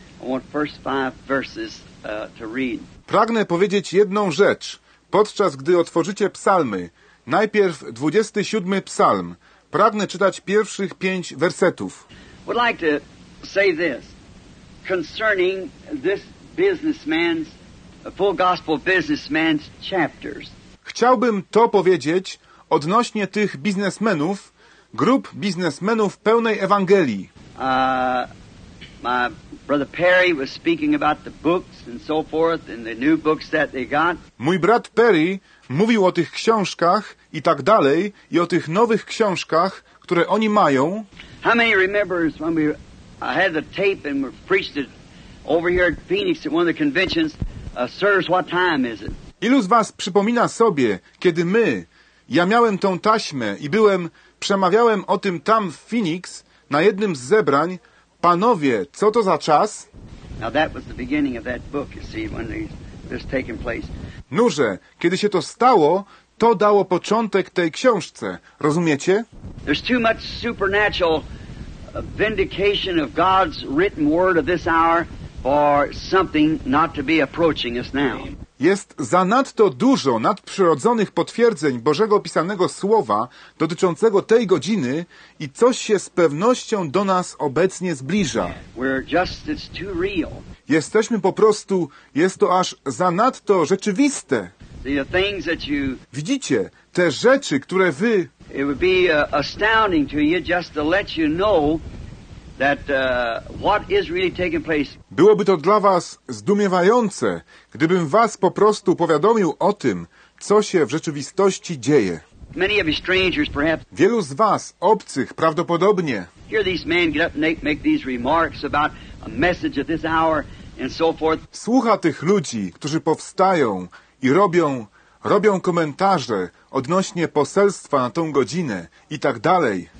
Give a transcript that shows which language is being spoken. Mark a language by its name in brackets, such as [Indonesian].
[English] I want first five verses to read. [Polish] Pragnę powiedzieć jedną rzecz. Podczas gdy otworzycie psalmy, najpierw 27 psalm. Pragnę czytać pierwszych 5 wersetów. [English] I would like to say this concerning this businessman's full gospel businessman's chapters. [Polish] Chciałbym to powiedzieć odnośnie tych biznesmenów, grup biznesmenów pełnej Ewangelii. [English] My brother Perry was speaking about the books and so forth and the new books that they got. [Polish] Mój brat Perry mówił o tych książkach i tak dalej i o tych nowych książkach, które oni mają. [English] How many remembers when we had the tape and we preached it over here at Phoenix at one of the conventions? Sirs, what time is it? [Polish] Ilu z was przypomina sobie, kiedy my, ja miałem tą taśmę i byłem, przemawiałem o tym tam w Phoenix, na jednym z zebrań, panowie, co to za czas? [English] Now that was the beginning of that book, you see, when this taking place. [Polish] Nuże, kiedy się to stało, to dało początek tej książce, rozumiecie? [English] There's too much supernatural vindication of God's written word of this hour. Or something not to be approaching us now. [Polish] Jest zanadto dużo nadprzyrodzonych potwierdzeń Bożego pisanego słowa dotyczącego tej godziny i coś się z pewnością do nas obecnie zbliża. [English] We're just, it's too real. [Polish] Jesteśmy po prostu, jest to aż zanadto rzeczywiste. [English] See, the things that you, [Polish] widzicie, te rzeczy, które wy... [English] It would be astounding to you just to let you know that what is really taking place. [Polish] Byłoby to dla was zdumiewające, gdybym was po prostu powiadomił o tym, co się w rzeczywistości dzieje. [English] Many of you strangers, perhaps. [Polish] Wielu z was obcych prawdopodobnie. [English] Hear these men get up and make these remarks about a message at this hour and so forth. [Polish] Słucha tych ludzi, którzy powstają i robią komentarze odnośnie poselstwa na tą godzinę i tak dalej.